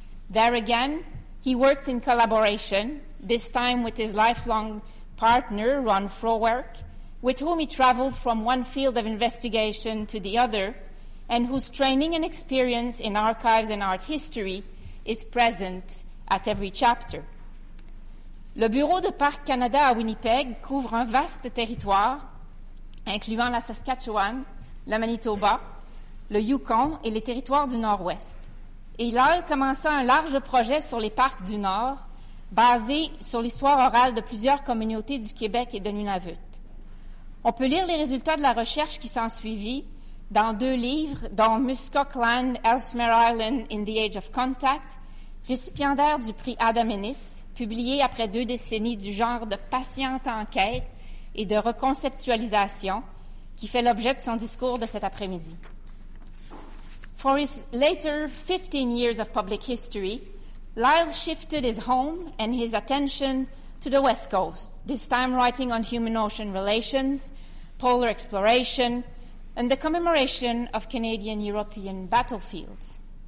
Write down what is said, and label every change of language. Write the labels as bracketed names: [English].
[English] There again, he worked in collaboration, this time with his lifelong partner, Ron Frowerk, with whom he traveled from one field of investigation to the other, and whose training and experience in archives and art history is present at every chapter. [French] Le bureau de Parc Canada à Winnipeg couvre un vaste territoire, incluant la Saskatchewan, le Manitoba, le Yukon et les territoires du Nord-Ouest. Et Lyle commença un large projet sur les parcs du Nord, basé sur l'histoire orale de plusieurs communautés du Québec et de Nunavut. On peut lire les résultats de la recherche qui s'en suivit dans deux livres, dont Muskoq Land, Ellesmere Island in the Age of Contact, récipiendaire du prix Adam Innes, publié après deux décennies du genre de patiente enquête et de reconceptualisation qui fait l'objet de son discours de cet après-midi. [English] For his later 15 years of public history, Lyle shifted his home and his attention to the West Coast, this time writing on human-ocean relations, polar exploration, and the commemoration of Canadian-European battlefields.